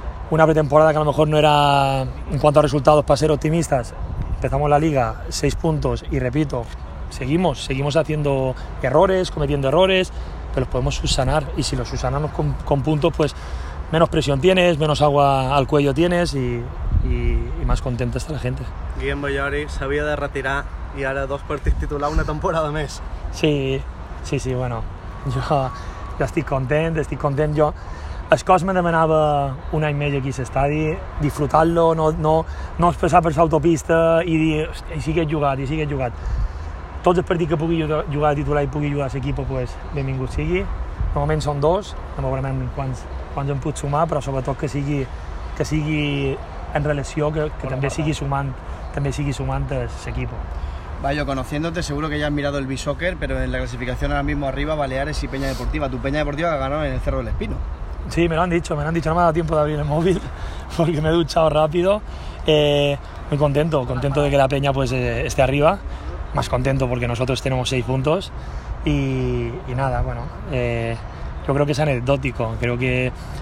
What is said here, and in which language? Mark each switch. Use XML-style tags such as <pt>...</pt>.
<es>Una pretemporada que a lo mejor no era, en cuanto a resultados, para ser optimistas. Empezamos la liga, 6 puntos, y repito, seguimos haciendo errores, cometiendo errores, pero los podemos subsanar, y si los subsanamos con puntos, pues menos presión tienes, menos agua al cuello tienes y más contenta está la gente.</es> <ca>Guillem Ballori s'havia de retirar i ara 2 partits titular, una temporada més. Sí, bueno, jo estic content. Jo, el cos me demanava un any més aquí a l'estadi, disfrutar-lo, no passar per l'autopista i dir, hosti, i sí que he jugat. Tots els partits que pugui jugar a titular i pugui jugar a l'equip, pues, benvingut sigui. De moment són 2, no veurem quants en puc sumar, però sobretot que sigui en relació, que també sigui sumant.</ca> <es>A ese equipo. Vaya, conociéndote, seguro que ya has mirado el bisoccer, pero en la clasificación ahora mismo arriba, Baleares y Peña Deportiva. Tu Peña Deportiva que ganaron en el Cerro del Espino. Sí, me lo han dicho, no me ha dado tiempo de abrir el móvil porque me he duchado rápido. Muy contento de que la Peña pues esté arriba, más contento porque nosotros tenemos 6 puntos y nada, bueno, yo creo que es anecdótico, creo que...</es>